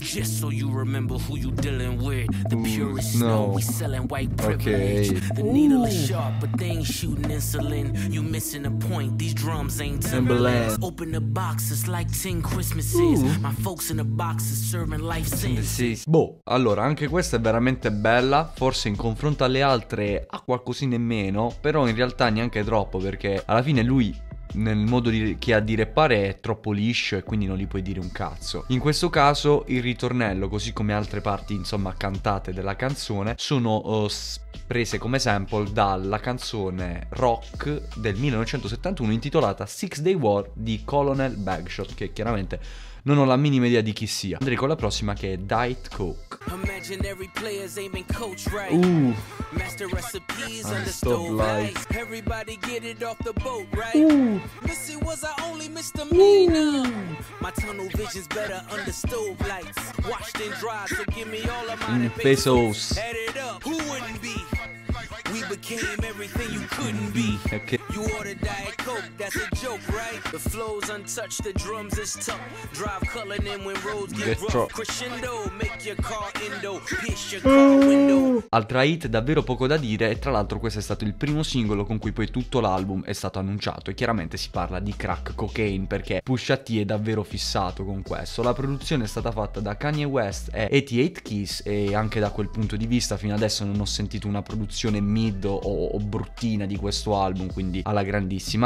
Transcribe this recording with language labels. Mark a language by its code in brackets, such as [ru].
[en] Just so you remember who you dealing with. The purest snow, we selling white privilege. Okay. The needle is sharp, but they ain't shooting insulin. You missing a point, these drums ain't Timberland. Open the boxes like 10 Christmases. Ooh. My folks in the boxes serving life sentences. [it] Boh, allora anche questa è veramente bella, forse in confronto alle altre ha qualcosina in meno, però in realtà neanche troppo, perché alla fine lui nel modo che ha di rappare è troppo liscio e quindi non gli puoi dire un cazzo. In questo caso il ritornello, così come altre parti insomma cantate della canzone, sono prese come sample dalla canzone rock del 1971 intitolata Six Day War di Colonel Bagshot, che chiaramente non ho la minima idea di chi sia. Andrei con la prossima, che è Diet Coke. [en] Imaginary players aiming coach right. Master recipes on the stove light. Everybody get it off the boat right. Missy was our only misdemeanor. My tunnel vision's better under stove lights. Washed and dry, so give me all of my pesos. Added up, who wouldn't be? We became everything you couldn't be. Okay. You order Diet Coke, that's a joke, right? The flow's untouched, the drums is tough. Drive culling in when roads get rough. Crescendo, make your car endo, pitch your car window. [it] Altra hit, davvero poco da dire, e tra l'altro questo è stato il primo singolo con cui poi tutto l'album è stato annunciato, e chiaramente si parla di crack cocaine, perché Pusha T è davvero fissato con questo. La produzione è stata fatta da Kanye West e 88 Keys, e anche da quel punto di vista fino adesso non ho sentito una produzione mid o bruttina di questo album, quindi alla grandissima.